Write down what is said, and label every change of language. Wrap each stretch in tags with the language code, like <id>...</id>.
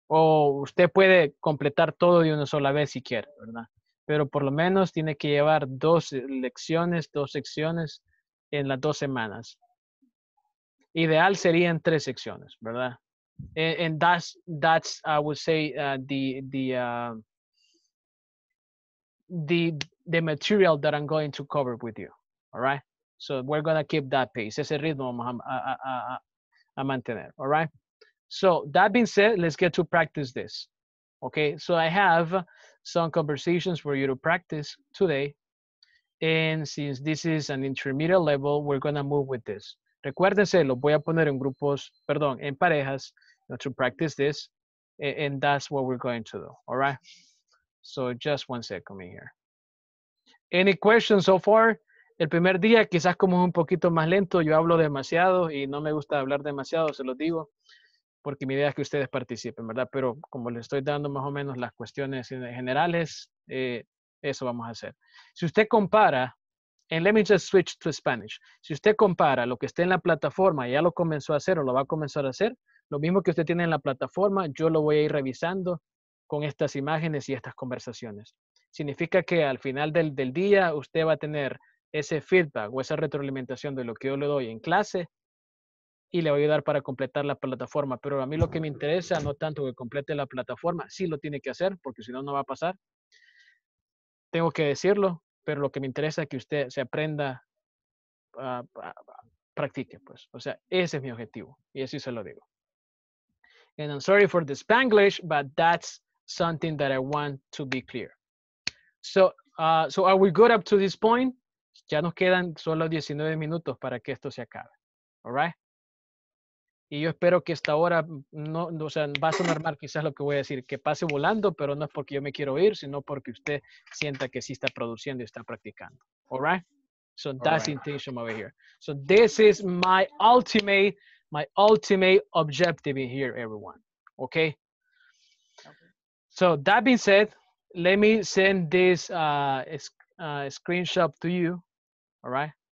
<es>O usted puede completar todo de una sola vez si quiere, ¿verdad? Pero por lo menos tiene que llevar dos secciones en las dos semanas. Ideal serían tres secciones, ¿verdad?</es> <en>And that's I would say the material that I'm going to cover with you. All right. So we're gonna keep that pace.</en> <es>Ese ritmo vamos a mantener.</es> <en>All right. So that being said, let's get to practice this. Okay. So I have some conversations for you to practice today. And since this is an intermediate level, we're gonna move with this.</en> <es>Recuérdense, lo voy a poner en grupos. Perdón, en parejas.</es> <en>To practice this, and that's what we're going to do, all right? So just one second here. Any questions so far?</en> <es>El primer día, quizás como es un poquito más lento, yo hablo demasiado y no me gusta hablar demasiado, se lo digo, porque mi idea es que ustedes participen, ¿verdad? Pero como les estoy dando más o menos las cuestiones generales, eso vamos a hacer. Si usted compara,</es> <en>and let me just switch to Spanish.</en> <es>Si usted compara lo que está en la plataforma, ya lo comenzó a hacer o lo va a comenzar a hacer, lo mismo que usted tiene en la plataforma, yo lo voy a ir revisando con estas imágenes y estas conversaciones. Significa que al final del día usted va a tener ese feedback o esa retroalimentación de lo que yo le doy en clase y le va a ayudar para completar la plataforma. Pero a mí lo que me interesa, no tanto que complete la plataforma, sí lo tiene que hacer porque si no, no va a pasar. Tengo que decirlo, pero lo que me interesa es que usted se aprenda, practique, pues. O sea, ese es mi objetivo y así se lo digo.</es> <en>And I'm sorry for the Spanglish, but that's something that I want to be clear. So are we good up to this point?</en> <es>Ya nos quedan solo 19 minutos para que esto se acabe.</es> <en>All right?</en> <es>Y yo espero que esta hora, no, o sea, va a sonar mal quizás lo que voy a decir, que pase volando, pero no es porque yo me quiero ir, sino porque usted sienta que sí está produciendo y está practicando.</es> <en>All right? So that's the intention over here. So this is my ultimate objective in here, everyone. Okay? So that being said, let me send this screenshot to you, all right?</en>